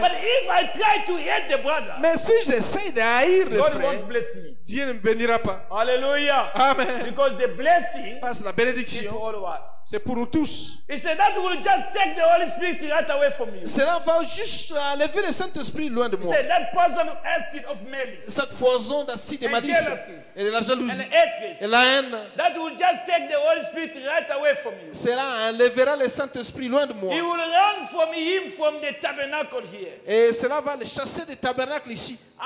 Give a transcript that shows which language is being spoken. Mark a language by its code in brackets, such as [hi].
[en] But if I try to hate the brother, [fr] mais si j'essaie de haïr le [en] God [fr] frère, [en] won't bless me. [fr] Dieu ne me bénira pas. Alléluia. Amen. [en] Because the blessing, [fr] parce que la bénédiction, [en] is for all of us. [fr] C'est pour nous tous. [en] He said that will just take the Holy Spirit right away from you. [fr] Cela va juste enlever le Saint Esprit loin de moi. [en] He said that poison acid of malice. [fr] Cette poison d'acide de malice. Et de la jalousie. [en] And hatred. [fr] Et la haine. [en] That will just take the Holy Spirit right away from you. [fr] Cela enlèvera le Saint Esprit loin de moi. [en] He will run from him from the tabernacle here. [fr] Et cela va le chasser des tabernacles ici.